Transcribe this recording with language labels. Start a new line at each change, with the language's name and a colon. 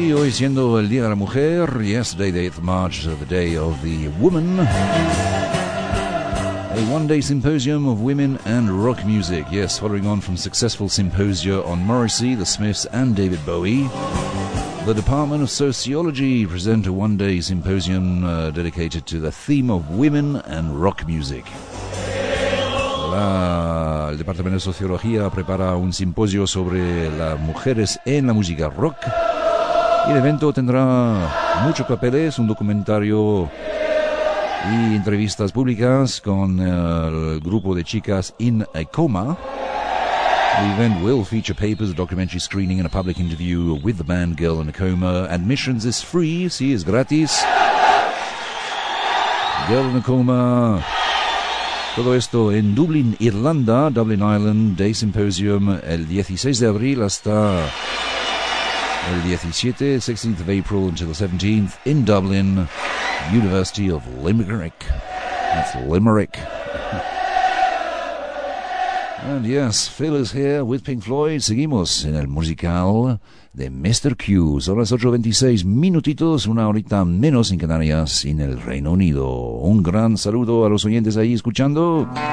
Spanish: Siendo el Día de la Mujer,
English: yesterday the 8th of March, the Day of the Woman, a one-day symposium of women and rock music, yes, following on from successful symposia on Morrissey, the Smiths and David Bowie, the Department of Sociology present a one-day symposium dedicated to the theme of women and rock music.
Spanish: El Departamento de Sociología prepara un simposio sobre las mujeres en la música rock. Y el evento tendrá muchos papeles, un documentario y entrevistas públicas con el grupo de chicas In a Coma.
English: The event will feature papers, a documentary screening and a public interview with the band Girl in a Coma. Admissions is free,
Spanish: sí, es gratis.
English: Girl in a Coma.
Spanish: Todo esto en Dublín, Irlanda,
English: Dublin Island, Day Symposium,
Spanish: el 16 de abril hasta el 17,
English: 16th of April until the 17th in Dublin, University of Limerick. That's Limerick. And yes, Phil is here with Pink Floyd.
Spanish: Seguimos en el musical de Mr. Q. Son las 8:26 minutitos, una horita menos en Canarias, en el Reino Unido. Un gran saludo a los oyentes ahí escuchando.